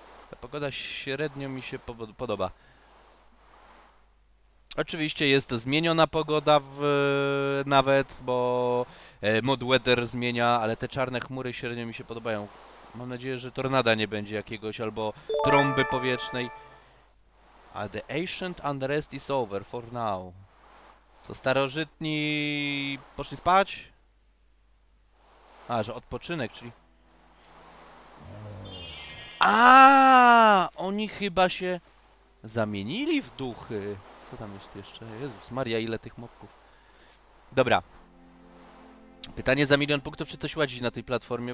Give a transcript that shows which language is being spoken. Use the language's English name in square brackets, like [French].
[Polish] Ta pogoda średnio mi się podoba. Oczywiście jest zmieniona pogoda nawet, bo mod weather zmienia, ale te czarne chmury średnio mi się podobają. Mam nadzieję, że tornada nie będzie jakiegoś, albo trąby powietrznej. [English] A the ancient unrest is over for now. [Polish] To starożytni poszli spać? A, że odpoczynek, czyli... Aaaa! Oni chyba się zamienili w duchy. Co tam jest jeszcze? Jezus Maria, ile tych mobków. Dobra. Pytanie za milion punktów, czy coś ładzi na tej platformie?